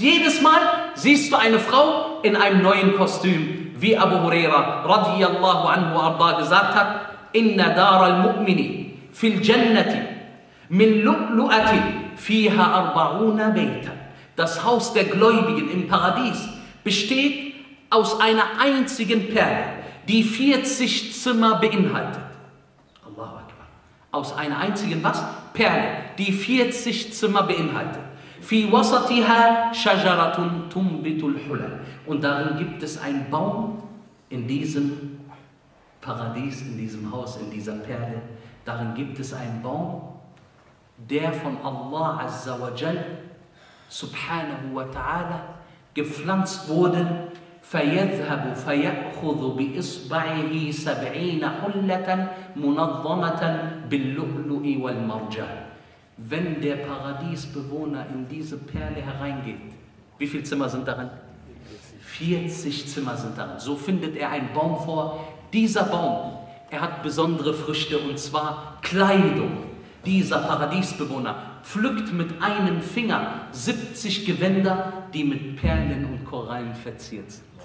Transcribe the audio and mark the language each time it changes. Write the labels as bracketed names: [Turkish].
[German] Jedes Mal siehst du eine Frau in einem neuen Kostüm, wie Abu Huraira radiyallahu anhu arda gesagt hat, [Arabic] inna dar al-mu'mini fil jannati min lu'lu'ati fiha 40 baytan. [German] Das Haus der Gläubigen im Paradies besteht aus einer einzigen Perle, die 40 Zimmer beinhaltet. Allahu Akbar. Aus einer einzigen was? Perle, die 40 Zimmer beinhaltet. [Arabic] في وسطها شجرة تنبت الحلى. [German] Und darin gibt es einen Baum in diesem Paradies, in diesem Haus, in dieser Perle. Darin gibt es einen Baum, der von Allah Azza wa Jal Subhanahu wa Ta'ala gepflanzt wurde. [Arabic] فيذهب فيأخذ بإصبعه سبعين حلة منظمة باللؤلؤ والمرجان. [German] Wenn der Paradiesbewohner in diese Perle hereingeht, wie viele Zimmer sind darin? 40 Zimmer sind darin. So findet er einen Baum vor. Dieser Baum, er hat besondere Früchte, und zwar Kleidung. Dieser Paradiesbewohner pflückt mit einem Finger 70 Gewänder, die mit Perlen und Korallen verziert sind.